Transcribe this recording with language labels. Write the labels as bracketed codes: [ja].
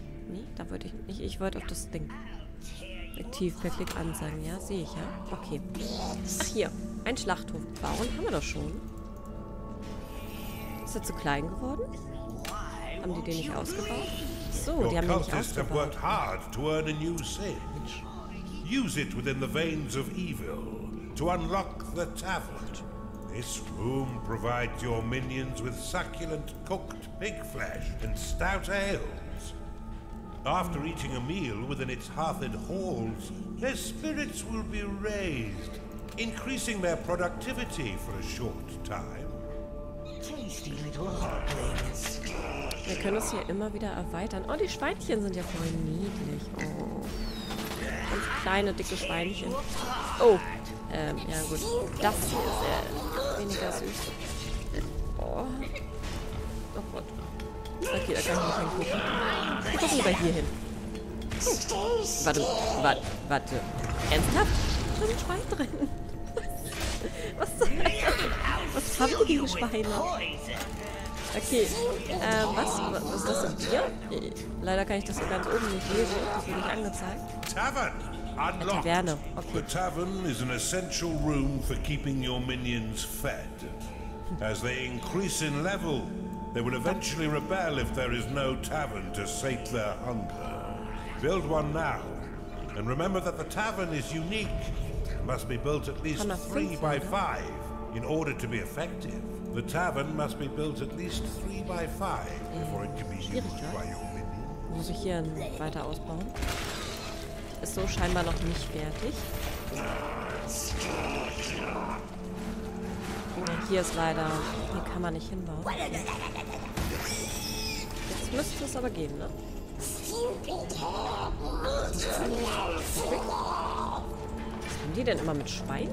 [de] Nee, da würde ich nicht. Ich wollte auf das Ding. Aktiv per Klick ansagen. Ja, sehe ich, ja. Okay. Ach, hier. Ein Schlachthof bauen haben wir doch schon. Ist er zu klein geworden? Haben die den nicht ausgebaut? So, die haben den nicht ausgebaut. [en] Hard to earn a new sage. Use it within the veins of evil. To unlock the tavern. This room provides your minions with succulent cooked pig flesh and stout ales. After eating a meal within its hearthed halls, their spirits will be raised, increasing their productivity for a short time. Tasty little hoplings. [de] Wir können es hier immer wieder erweitern. Oh, die Schweinchen sind ja voll niedlich. Oh. Und kleine, dicke Schweinchen. Oh. Ja gut. Das hier ist weniger süß. Oh. Oh Gott. Okay, da kann ich nicht hingucken. Ich guck lieber hier hin. Oh. Warte. Warte. Ernsthaft? Da sind Schweine drin. Was soll das? Was haben die Schweine? Okay. Was ist das denn hier? Leider kann ich das hier ganz oben nicht lesen. Das wird nicht angezeigt. [en] Tavern! [de] Taverne. Okay. [en] The tavern is an essential room for keeping your minions fed. As they increase in level, they will eventually rebel if there is no tavern to sate their hunger. Build one now. And remember that the tavern is unique. It must be built at least 3x5 in order to be effective. The tavern must be built at least 3x5 before it can be used by your minions. [de] Muss ich hier weiter ausbauen? Ist so scheinbar noch nicht fertig. Ja, hier ist leider... Hier kann man nicht hinbauen. Jetzt müsste es aber gehen, ne? Was haben die denn immer mit Schweinen?